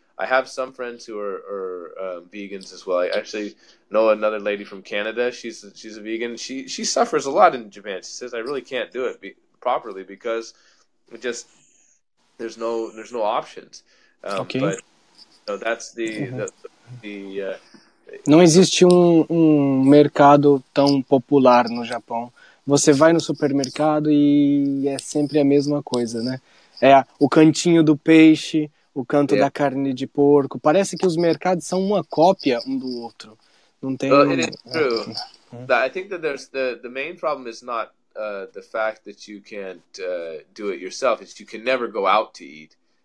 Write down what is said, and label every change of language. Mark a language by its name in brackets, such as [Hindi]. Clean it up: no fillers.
[English] I have some friends who are vegans as well. I actually know another lady from Canada. She's a vegan. She suffers a lot in Japan. She says, I really can't do it properly because there's no options. Okay. But so that's the... Uh-huh. [Portuguese] Não existe um mercado tão popular no Japão. Você vai no supermercado e é sempre a mesma coisa, né? É o cantinho do peixe, o canto da carne de porco. Parece que os mercados são uma cópia um do outro. Não tem. [English] Well, it is true. I think that there's the main problem is not the fact that you can't do it yourself. It's you can never go out to eat.